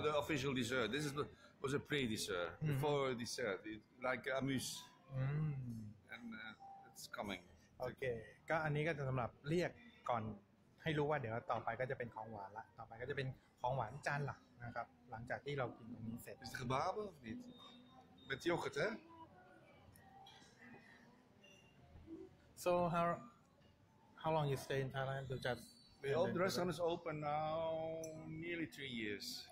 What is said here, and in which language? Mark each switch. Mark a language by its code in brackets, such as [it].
[en] the official dessert this is was a pre dessert before dessert like amuse and it's coming [th] โอเคก็อันนี้ก็จะสำหรับเรียกก่อนให้รู้ว่าเดี๋ยวต่อไปก็จะเป็นของหวานละต่อไปก็จะเป็นของหวานจานหลักนะครับหลังจากที่เรากินตรงนี้เสร็จ เป็นคบับหรือเป็นโยเกิร์ตฮะ [en] so how long you stay in Thailand to just the old restaurant is open now nearly 3 years